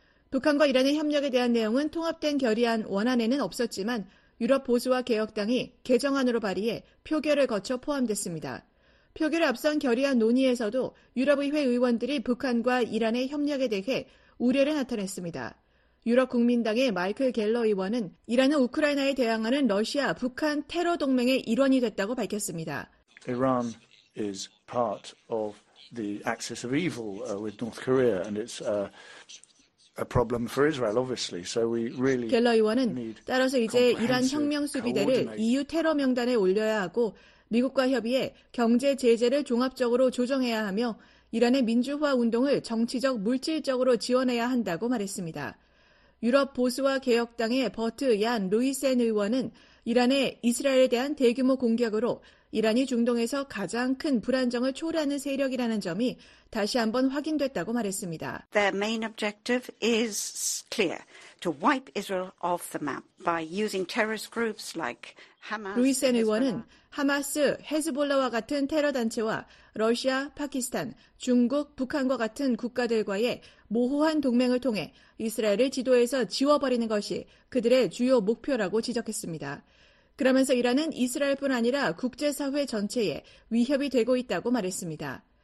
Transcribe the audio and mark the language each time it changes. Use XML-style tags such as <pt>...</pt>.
<ko>북한과 이란의 협력에 대한 내용은 통합된 결의안 원안에는 없었지만 유럽 보수와 개혁당이 개정안으로 발의해 표결을 거쳐 포함됐습니다. 표결에 앞선 결의안 논의에서도 유럽의회 의원들이 북한과 이란의 협력에 대해 우려를 나타냈습니다. 유럽 국민당의 마이클 갤러 의원은 이란은 우크라이나에 대항하는 러시아, 북한 테러 동맹의 일원이 됐다고 밝혔습니다.</ko> <en>Iran is part of the axis of evil with North Korea and it's a problem for Israel obviously. So we really</en> <ko>갤러 의원은 따라서 이제 이란 혁명 수비대를 EU 테러 명단에 올려야 하고 미국과 협의해 경제 제재를 종합적으로 조정해야 하며 이란의 민주화 운동을 정치적, 물질적으로 지원해야 한다고 말했습니다. 유럽 보수와 개혁당의 버트 얀 루이센 의원은 이란의 이스라엘에 대한 대규모 공격으로 이란이 중동에서 가장 큰 불안정을 초래하는 세력이라는 점이 다시 한번 확인됐다고 말했습니다.</ko> <en>Their main objective is clear, to wipe Israel off the map by using terrorist groups like Hamas.</en> <ko>루이센 의원은 하마스, 헤즈볼라와 같은 테러 단체와 러시아, 파키스탄, 중국, 북한과 같은 국가들과의 모호한 동맹을 통해 이스라엘을 지도에서 지워버리는 것이 그들의 주요 목표라고 지적했습니다. 그러면서 이란은 이스라엘뿐 아니라 국제사회 전체에 위협이 되고 있다고 말했습니다.</ko>